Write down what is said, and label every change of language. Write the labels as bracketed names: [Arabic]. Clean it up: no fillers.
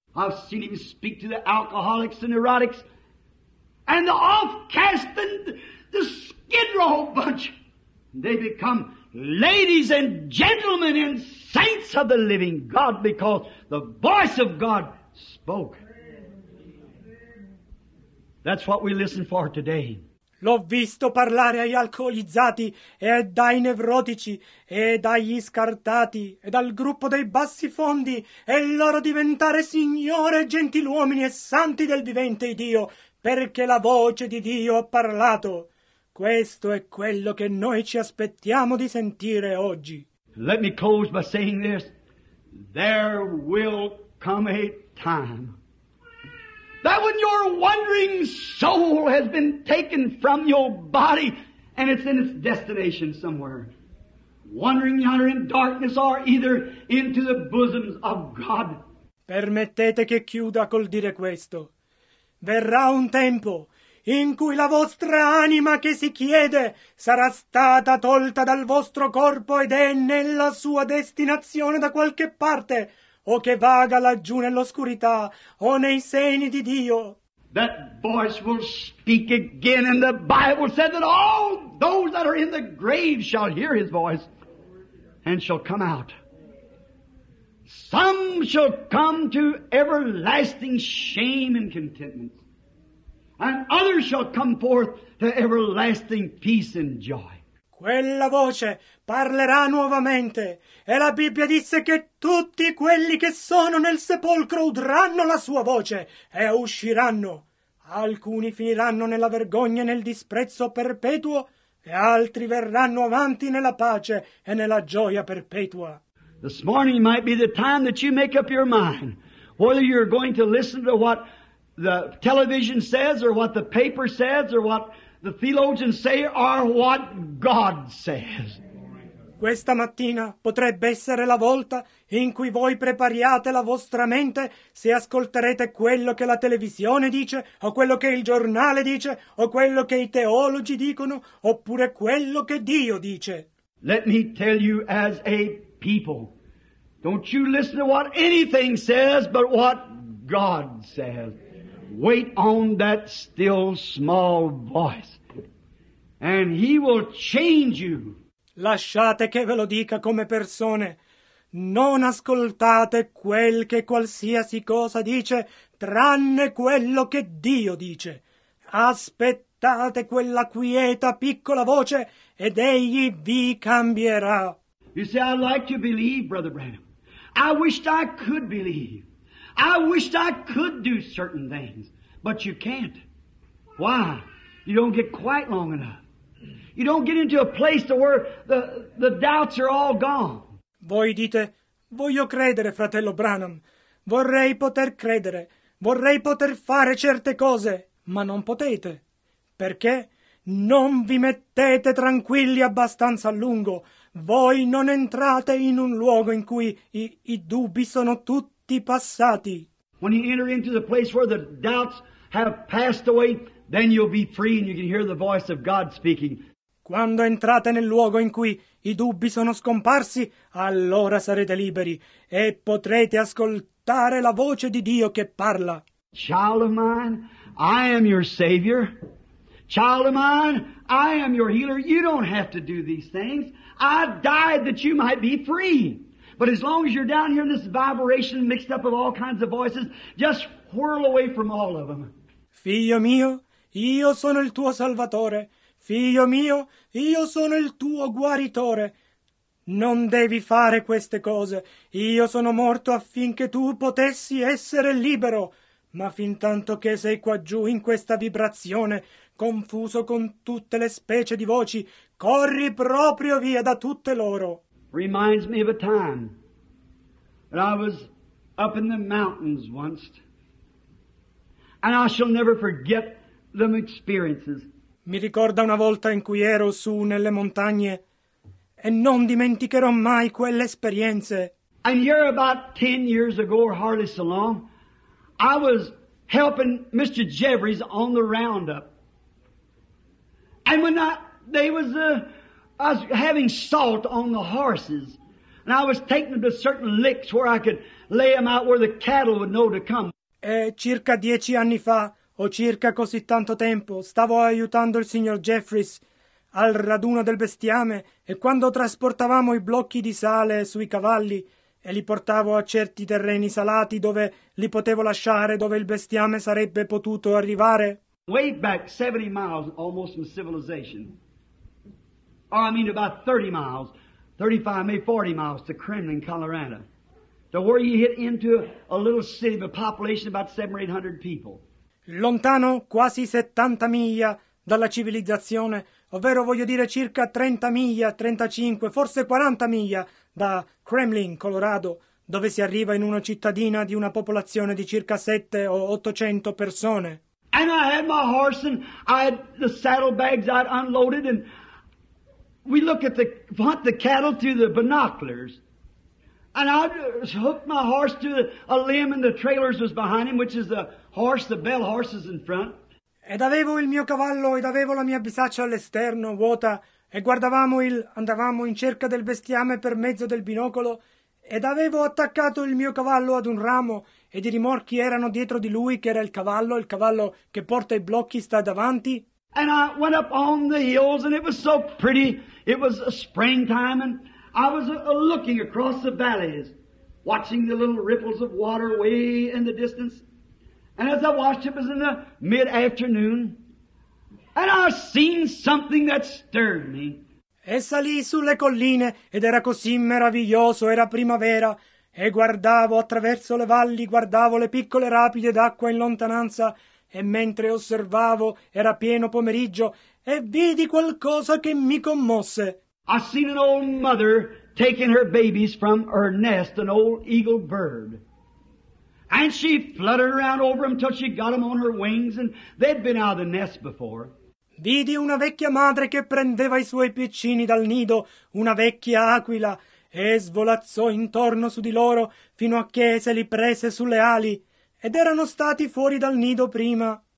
[English] I've seen him speak to the alcoholics and neurotics and the off-cast and the skid row bunch. They become ladies and gentlemen and saints of the living God because the voice of God spoke. That's what we listen for today. [Italian] L'ho visto parlare agli alcolizzati e dai nevrotici e dagli scartati e dal gruppo dei bassi fondi e loro diventare signore, gentiluomini e santi del vivente Dio, perché la voce di Dio ha parlato. Questo è quello che noi ci aspettiamo di sentire oggi. [English] Let me close by saying this. There will come a time that when your wandering soul has been taken from your body and it's in its destination somewhere, wandering yonder in darkness or either into the bosoms of God. [Italian] Permettete che chiuda col dire questo. Verrà un tempo in cui la vostra anima che si chiede sarà stata tolta dal vostro corpo ed è nella sua destinazione da qualche parte, o che vaga laggiù nell'oscurità o nei seni di Dio. [English] That voice will speak again, and the Bible said that all those that are in the grave shall hear his voice and shall come out. Some shall come to everlasting shame and contentment. And others shall come forth to everlasting peace and joy. [Italian] Quella voce parlerà nuovamente, e la Bibbia disse che tutti quelli che sono nel sepolcro udranno la sua voce e usciranno. Alcuni finiranno nella vergogna e nel disprezzo perpetuo, e altri verranno avanti nella pace e nella gioia perpetua. [English] This morning might be the time that you make up your mind whether you're going to listen to what the television says, or what the paper says, or what the theologians say, or what God says. [Italian] Questa mattina potrebbe essere la volta in cui voi prepariate la vostra mente se ascolterete quello che la televisione dice, o quello che il giornale dice, o quello che i teologi dicono, oppure quello che Dio dice. [English] Let me tell you as a people, don't you listen to what anything says, but what God says. Wait on that still small voice, and he will change you. [Italian] Lasciate che ve lo dica come persone. Non ascoltate quel che qualsiasi cosa dice, tranne quello che Dio dice. Aspettate quella quieta piccola voce, ed egli vi cambierà. [English] You see, I'd like to believe, Brother Branham. I wished I could believe. I wished I could do certain things, but you can't. Why? You don't get quiet long enough. You don't get into a place to where the doubts are all gone. [Italian] Voi dite, voglio credere, fratello Branham. Vorrei poter credere. Vorrei poter fare certe cose, ma non potete. Perché? Non vi mettete tranquilli abbastanza a lungo. Voi non entrate in un luogo in cui i dubbi sono tutti passati. [English] When you enter into the place where the doubts have passed away, then you'll be free and you can hear the voice of God speaking. [Italian] Quando entrate nel luogo in cui i dubbi sono scomparsi, allora sarete liberi e potrete ascoltare la voce di Dio che parla. [English] Child of mine, I am your Savior. Child of mine, I am your healer. You don't have to do these things. I died that you might be free. But as long as you're down here in this vibration mixed up of all kinds of voices, just whirl away from all of them. [Italian] Figlio mio, io sono il tuo salvatore. Figlio mio, io sono il tuo guaritore. Non devi fare queste cose. Io sono morto affinché tu potessi essere libero. Ma fin tanto che sei qua giù in questa vibrazione, confuso con tutte le specie di voci, corri proprio via da tutte loro. [English] Reminds me of a time that I was up in the mountains once, and I shall never forget them experiences. [Italian] Mi ricorda una volta in cui ero su nelle montagne, e non dimenticherò mai quelle esperienze. [English] And here about 10 years ago, or hardly so long, I was helping Mr. Jeffries on the roundup. And when I was having salt on the horses, and I was taking them to certain licks where I could lay them out where the cattle would know to come. [Italian] E circa 10 anni fa, o circa così tanto tempo, stavo aiutando il signor Jeffries al raduno del bestiame, e quando trasportavamo i blocchi di sale sui cavalli e li portavo a certi terreni salati dove li potevo lasciare, dove il bestiame sarebbe potuto arrivare. [English] way back 70 miles almost from civilization. Or I mean about 30 miles, 35, maybe 40 miles to Kremlin, Colorado. To where you hit into a little city with a population of about 700 or 800 people. [Italian] Lontano quasi 70 miglia dalla civilizzazione, ovvero voglio dire circa 30 miglia, 35, forse 40 miglia da Kremlin, Colorado, dove si arriva in una cittadina di una popolazione di circa 700 o 800 persone. [English] And I had my horse and I had the saddlebags I'd unloaded and we look at the hunt the cattle through the binoculars. And I hooked my horse to a limb and the trailers was behind him, which is the horse, the bell horse is in front. [Italian] Ed avevo il mio cavallo ed avevo la mia bisaccia all'esterno, vuota, e guardavamo andavamo in cerca del bestiame per mezzo del binocolo, ed avevo attaccato il mio cavallo ad un ramo, ed i rimorchi erano dietro di lui, che era il cavallo che porta i blocchi sta davanti. [English] And I went up on the hills and it was so pretty, it was springtime and I was looking across the valleys, watching the little ripples of water way in the distance. And as I watched, it was in the mid-afternoon, and I seen something that stirred me. [Italian] E salì sulle colline, ed era così meraviglioso, era primavera, e guardavo attraverso le valli, guardavo le piccole rapide d'acqua in lontananza, e mentre osservavo, era pieno pomeriggio, e vidi qualcosa che mi commosse. [English] I seen an old mother taking her babies from her nest, an old eagle bird. And she fluttered around over them till she got them on her wings, and they'd been out of the nest before. [Italian] Vidi una vecchia madre che prendeva i suoi piccini dal nido, una vecchia aquila, e svolazzò intorno su di loro fino a che se li prese sulle ali, ed erano stati fuori dal nido prima.